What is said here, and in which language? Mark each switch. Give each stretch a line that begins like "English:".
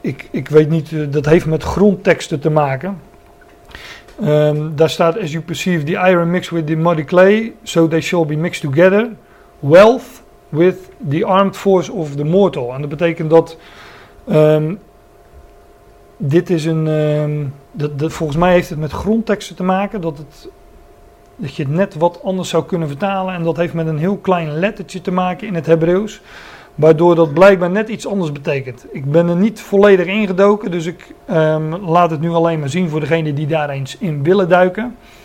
Dutch: Ik weet niet, dat heeft met grondteksten te maken. Daar staat,
English: as you perceive the iron mixed with the muddy clay, so they shall be mixed together. Wealth with the armed force of the mortal.
Dutch: En dat betekent dat dit is een. Volgens mij heeft het met grondteksten te maken. Dat je het net wat anders zou kunnen vertalen. En dat heeft met een heel klein lettertje te maken in het Hebreeuws. Waardoor dat blijkbaar net iets anders betekent. Ik ben er niet volledig ingedoken. Dus ik laat het nu alleen maar zien voor degene die daar eens in willen duiken.